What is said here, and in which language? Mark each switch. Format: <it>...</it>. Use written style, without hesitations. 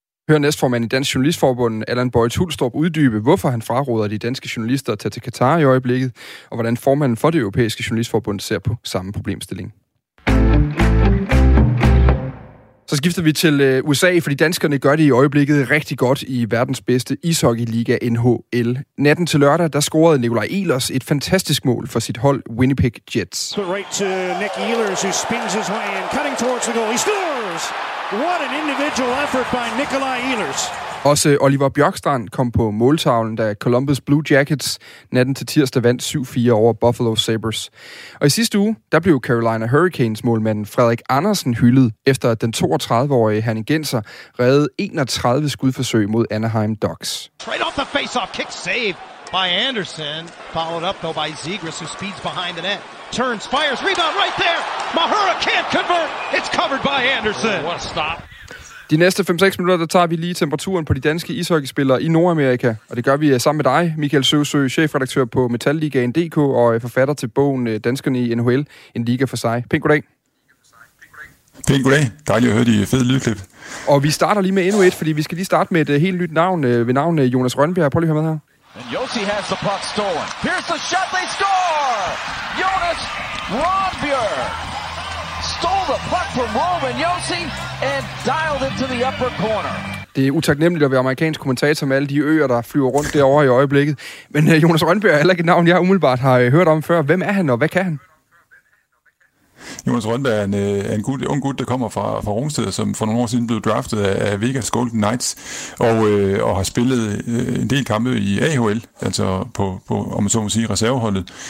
<da>Hør næstformand i Dansk Journalistforbund, Allan Bøjt Hulstrup, uddybe, hvorfor han fraråder de danske journalister at tage til Katar i øjeblikket, og hvordan formanden for det europæiske journalistforbund ser på samme problemstilling. Så skifter vi til USA, fordi danskerne gør det i øjeblikket rigtig godt i verdens bedste ishockeyliga NHL. Natten til lørdag, der scorede Nikolaj Ehlers et fantastisk mål for sit hold Winnipeg Jets.</da> <en>Right to Nick Ehlers, who spins his way and cutting towards the goal. He scores! What an individual effort by Nikolaj Ehlers.</en> <da>Også Oliver Bjørkstrand kom på måltavlen, da Columbus Blue Jackets natten til tirsdag vandt 7-4 over Buffalo Sabres. Og i sidste uge, der blev Carolina Hurricanes målmand Frederik Andersen hyldet, efter at den 32-årige Herning Genser reddede 31 skudforsøg mod Anaheim Ducks.</da> <en>Right off the face-off, kick save by Anderson, followed up though by Zegras, who speeds behind the net. Turns, fires, rebound right there! Mahura can't convert! It's covered by Anderson! Oh, what a stop!</en> <da>De næste 5-6 minutter, der tager vi lige temperaturen på de danske ishockeyspillere i Nordamerika. Og det gør vi sammen med dig, Michael Søsø, chefredaktør på Metalligaen.dk og forfatter til bogen Danskerne i NHL, en liga for sig. Pænt goddag. Pænt goddag. Dejligt at høre de fede lydklip. Og vi starter lige med endnu et, fordi vi skal lige starte med et helt nyt navn ved navn Jonas Rønbjerg. Prøv lige at høre med her.</da> <en>And Yossi has the puck stolen. Here's the shot, they score! Jonas Rønbjerg! Stole the puck from Roman Josi and dialed it to the upper corner.</en> <da>Det er utaknemmeligt at være amerikansk kommentator med alle de øer, der flyver rundt derover i øjeblikket. Men Jonas Rønbjerg er heller ikke et navn, jeg umiddelbart har hørt om før. Hvem er han, og hvad kan han? Jonas Rønbjerg er en god, ung gut, der kommer fra Rungsted, som for nogle år siden blev draftet af Vegas Golden Knights, og har spillet en del kampe i AHL, altså på om man så må sige, reserveholdet.</da>